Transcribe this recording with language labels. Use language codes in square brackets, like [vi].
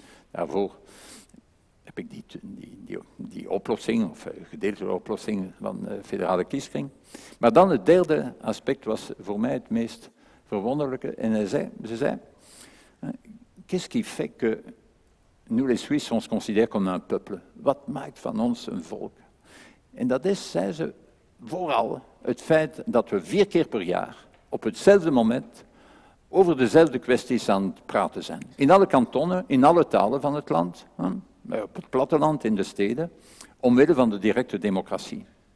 [nl] Daarvoor heb ik die oplossing, of gedeeltelijke oplossing van de federale kieskring. Maar dan het derde aspect was voor mij het meest verwonderlijke. En ze zei, [fr] qu'est-ce qui fait que nous les Suisses ons considèrent comme un peuple? [nl] Wat maakt van ons een volk? En dat is, zei ze, vooral het feit dat we 4 keer per jaar op hetzelfde moment over dezelfde kwesties aan het praten zijn. In alle kantonnen, in alle talen van het land, op het platteland, in de steden, omwille van de directe democratie.